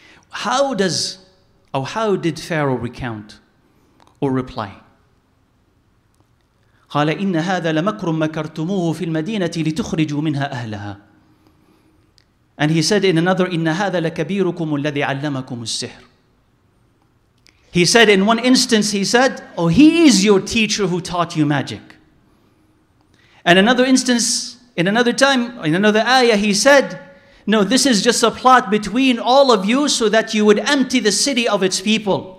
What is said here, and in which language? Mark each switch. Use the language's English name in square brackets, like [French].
[English] How did Pharaoh recount or reply? [Arabic] قال إن هذا لمكر مكرتموه في المدينة لتخرجوا منها أهلها. [English] And he said in another, [Arabic] إن هذا لكبيركم الذي علمكم السحر. [English] He said in one instance, he said, oh, he is your teacher who taught you magic. And another instance, in another time, in another ayah, he said, no, this is just a plot between all of you so that you would empty the city of its people.